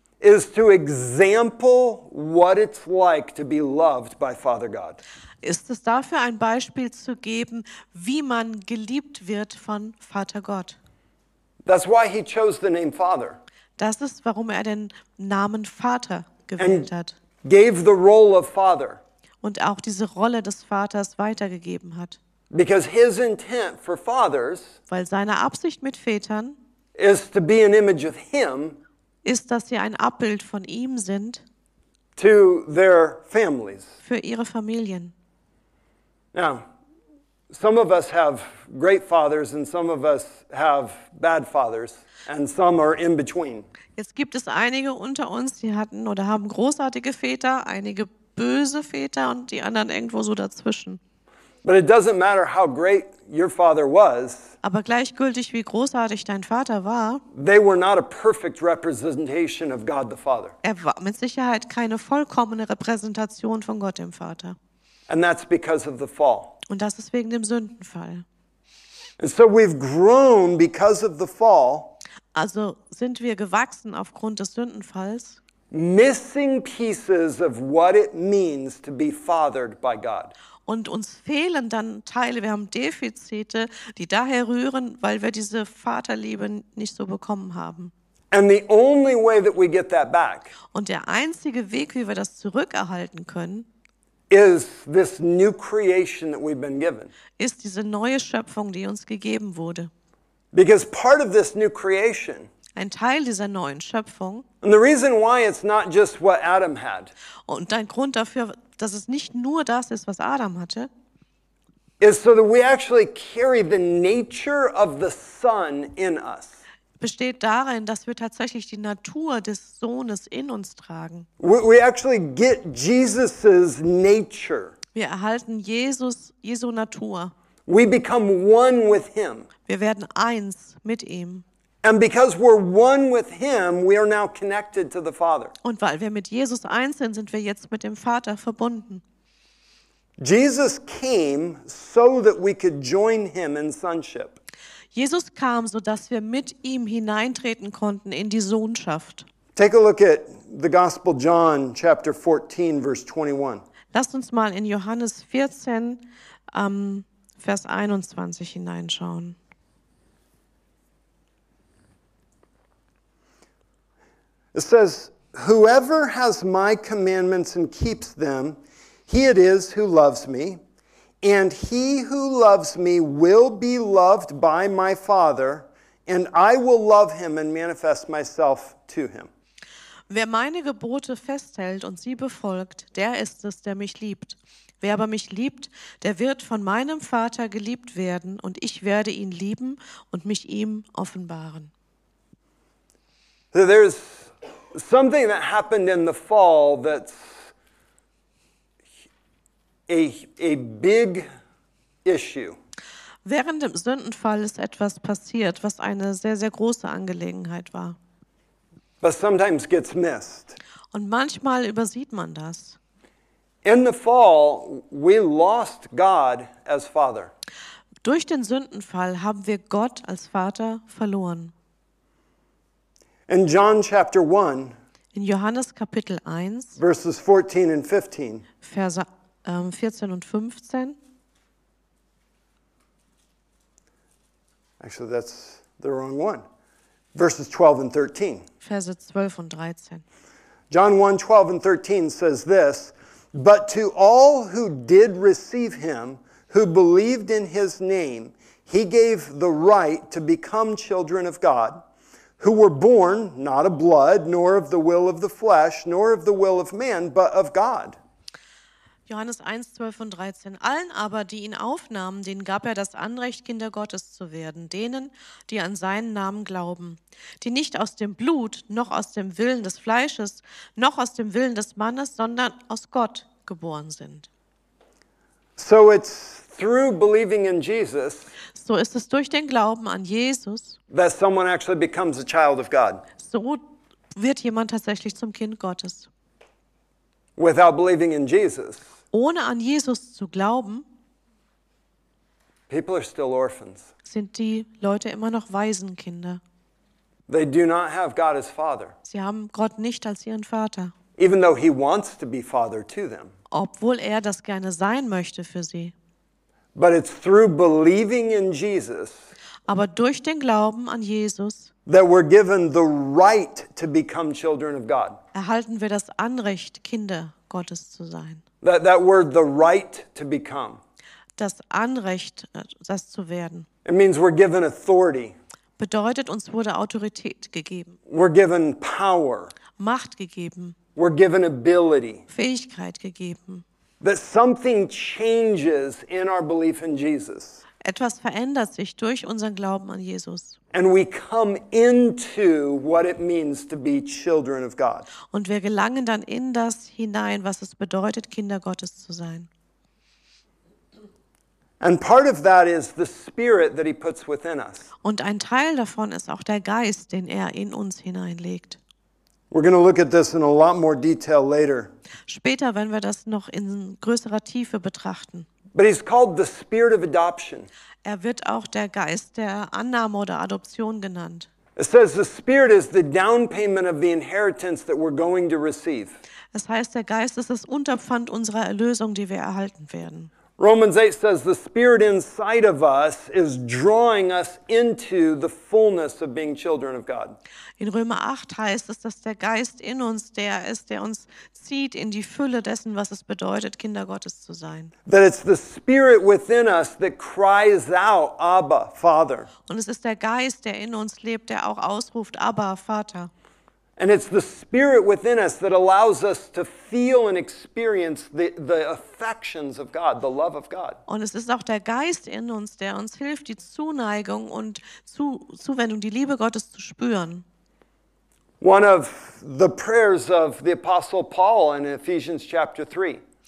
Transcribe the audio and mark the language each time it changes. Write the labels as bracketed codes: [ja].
[en] is to example what it's like to be loved by Father God. [de] Ist es dafür, ein Beispiel zu geben, wie man geliebt wird von Vater Gott. [en] That's why he chose the name Father. [de] Das ist, warum er den Namen Vater gewählt hat. [en] Gave the role of father. [de] Und auch diese Rolle des Vaters weitergegeben hat. [en] Because his intent for fathers, [de] weil seine Absicht mit Vätern, [en] is to be an image of him, [de] ist, dass sie ein Abbild von ihm sind, [en] to their families, [de] für ihre Familien. [en] Now, some of us have great fathers and some of us have bad fathers and some are in between. [de] Jetzt gibt es einige unter uns, die hatten oder haben großartige Väter, einige böse Väter und die anderen irgendwo so dazwischen. [en] But it doesn't matter how great your father was. [de] Aber gleichgültig, wie großartig dein Vater war, [en] they were not a perfect representation of God the Father. [de] Er war mit Sicherheit keine vollkommene Repräsentation von Gott dem Vater. [en] And that's because of the fall. [de] Und das ist wegen dem Sündenfall. [en] And so we've grown because of the fall. [de] Also sind wir gewachsen aufgrund des Sündenfalls. [en] Missing pieces of what it means to be fathered by God. [de] Und uns fehlen dann Teile, wir haben Defizite, die daher rühren, weil wir diese Vaterliebe nicht so bekommen haben. [en] And the only way that we get that back. [de] Und der einzige Weg, wie wir das zurückerhalten können, [en] is this new creation that we've been given. [de] Ist diese neue Schöpfung, die uns gegeben wurde. [en] Because part of this new creation, [de] ein Teil dieser neuen Schöpfung, [en] and the reason why it's not just what Adam had, [de] und ein Grund dafür, dass es nicht nur das ist, was Adam hatte, [en] is so that we actually carry the nature of the Son in us. [de] Besteht darin, dass wir tatsächlich die Natur des Sohnes in uns tragen. [en] We actually get Jesus's nature. [de] Wir erhalten Jesu Natur. [en] We become one with him. [de] Wir werden eins mit ihm. [en] And because we're one with him, we are now connected to the Father. [de] Und weil wir mit Jesus eins sind, sind wir jetzt mit dem Vater verbunden. [en] Jesus came so that we could join him in sonship. [de] Jesus kam, so dass wir mit ihm hineintreten konnten in die Sohnschaft. [en] Take a look at the Gospel John chapter 14 verse 21. [de] Lasst uns mal in Johannes 14 Vers 21 hineinschauen. [en] It says, whoever has my commandments and keeps them, he it is who loves me. And he who loves me will be loved by my Father, and I will love him and manifest myself to him. [de] Wer meine Gebote festhält und sie befolgt, der ist es, der mich liebt. Wer aber mich liebt, der wird von meinem Vater geliebt werden, und ich werde ihn lieben und mich ihm offenbaren. [en] So there's something that happened in the fall that's a big issue. [de] Während dem Sündenfall ist etwas passiert, was eine sehr, sehr große Angelegenheit war. [en] But sometimes gets missed. [de] Und manchmal übersieht man das. [en] In the fall, we lost God as Father. [de] Durch den Sündenfall haben wir Gott als Vater verloren. [en] In John chapter 1, [de] in Johannes Kapitel 1, [en] verses 14 and 15, [de] Verse 14 und 15. [en] Actually, that's the wrong one. Verses 12 and 13. [de] Verse 12 und 13. [en] John 1, 12 and 13 says this, but to all who did receive him, who believed in his name, he gave the right to become children of God, who were born not of blood, nor of the will of the flesh, nor of the will of man, but of God. [de] Johannes 1, 12 und 13. Allen aber, die ihn aufnahmen, denen gab er das Anrecht, Kinder Gottes zu werden, denen, die an seinen Namen glauben, die nicht aus dem Blut, noch aus dem Willen des Fleisches, noch aus dem Willen des Mannes, sondern aus Gott geboren sind. [en] So, it's through believing in Jesus, [de] so ist es durch den Glauben an Jesus, [en] that someone actually becomes a child of God. [de] So wird jemand tatsächlich zum Kind Gottes. [en] Without believing in Jesus, [de] ohne an Jesus zu glauben, [en] people are still orphans. [de] Sind die Leute immer noch Waisenkinder. [en] They do not have God as Father. [de] Sie haben Gott nicht als ihren Vater. [en] Even though he wants to be Father to them. [de] Obwohl er das gerne sein möchte für sie. [en] But it's through believing in Jesus, [de] aber durch den Glauben an Jesus, [en] that we're given the right to become children of God. [de] Erhalten wir das Anrecht, Kinder Gottes zu sein. [en] That word, the right to become. [de] Das Anrecht, das zu werden. [en] It means we're given authority. [de] Bedeutet, uns wurde Autorität gegeben. [en] We're given power. [de] Macht gegeben. [en] We're given ability. [de] Fähigkeit gegeben. [en] That something changes in our belief in Jesus. [de] Etwas verändert sich durch unseren Glauben an Jesus. [en] And we come into what it means to be children of God. [de] Und wir gelangen dann in das hinein, was es bedeutet, Kinder Gottes zu sein. [en] And part of that is the spirit that he puts within us. [de] Und ein Teil davon ist auch der Geist, den er in uns hineinlegt. [en] We're going to look at this in a lot more detail later. [de] Später, wenn wir das noch in größerer Tiefe betrachten. [en] But he's called the spirit of adoption. [de] Er wird auch der Geist der Annahme oder Adoption genannt. [en] It says the spirit is the down payment of the inheritance that we're going to receive. [de] Es heißt, der Geist ist das Unterpfand unserer Erlösung, die wir erhalten werden. [en] Romans 8 says the spirit inside of us is drawing us into the fullness of being children of God. [de] In Römer 8 heißt es, dass der Geist in uns der ist, der uns zieht in die Fülle dessen, was es bedeutet, Kinder Gottes zu sein. [en] That it's the spirit within us that cries out, Abba, Father. [de] Und es ist der Geist, der in uns lebt, der auch ausruft, Abba, Vater. [en] And it's the spirit within us that allows us to feel and experience the affections of God, the love of God. [de] Und es ist auch der Geist in uns, der uns hilft, die Zuneigung und Zuwendung, die Liebe Gottes zu spüren. [en] One of the prayers of the Apostle Paul in Ephesians chapter 3.